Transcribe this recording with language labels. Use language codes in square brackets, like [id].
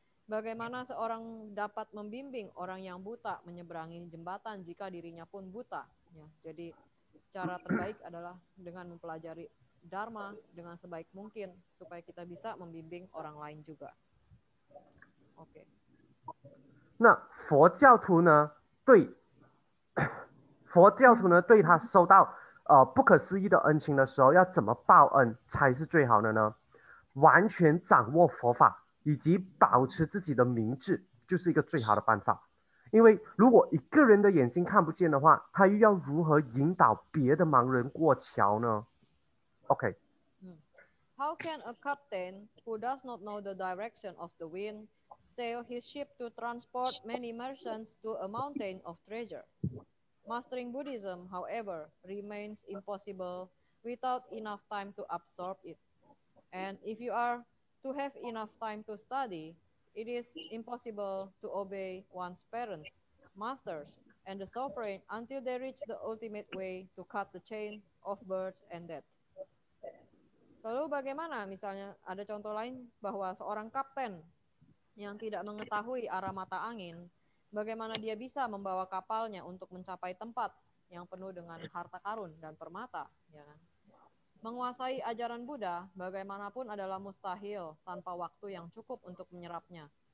[id] Bagaimana seorang dapat membimbing orang yang buta menyeberangi jembatan jika dirinya pun buta? Ya, jadi cara terbaik adalah dengan mempelajari Dharma dengan sebaik mungkin supaya kita bisa membimbing orang lain juga. Oke. [en] Okay. [id] Nah, [zh] 佛教徒呢，对他收到 不可思议的恩情的时候，要怎么报恩才是最好的呢？完全掌握佛法以及保持自己的明智，就是一个最好的办法。因为如果一个人的眼睛看不见的话，他又要如何引导别的盲人过桥呢 ？OK. [en] How can a captain who does not know the direction of the wind sail his ship to transport many merchants to a mountain of treasure? Mastering Buddhism, however, remains impossible without enough time to absorb it. And if you are to have enough time to study, it is impossible to obey one's parents, masters, and the sovereign until they reach the ultimate way to cut the chain of birth and death. [id] Lalu bagaimana misalnya ada contoh lain bahwa seorang kapten yang tidak mengetahui arah mata angin, bagaimana dia bisa membawa kapalnya untuk mencapai tempat yang penuh dengan harta karun dan permata? Ya. Menguasai ajaran Buddha bagaimanapun adalah mustahil tanpa waktu yang cukup untuk menyerapnya.